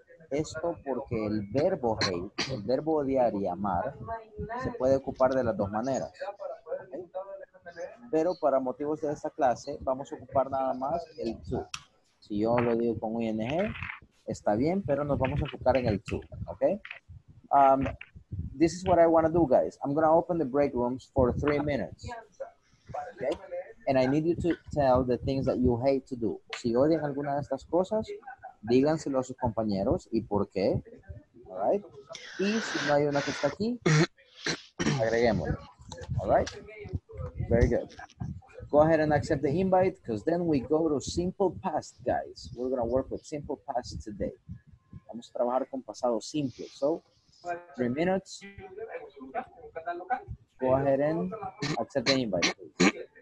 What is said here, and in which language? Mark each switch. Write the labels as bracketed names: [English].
[Spanish] Esto porque el verbo hate, el verbo odiar y amar, se puede ocupar de las dos maneras. ¿Okay? Pero para motivos de esta clase, vamos a ocupar nada más el to. Si yo lo digo con ing, está bien, pero nos vamos a enfocar en el to. ¿Ok? [English] This is what I want to do, guys. I'm going to open the break rooms for 3 minutes. Okay? And I need you to tell the things that you hate to do. [Spanish] Si odian alguna de estas cosas, díganselo a sus compañeros y por qué. [English] All right? [Spanish] Y si no hay una que está aquí, agreguemos. [English] All right? Very good. Go ahead and accept the invite because then we go to simple past, guys. We're going to work with simple past today. [Spanish] Vamos a trabajar con pasado simple. [English] So, 3 minutes. Go ahead and accept the invite, please.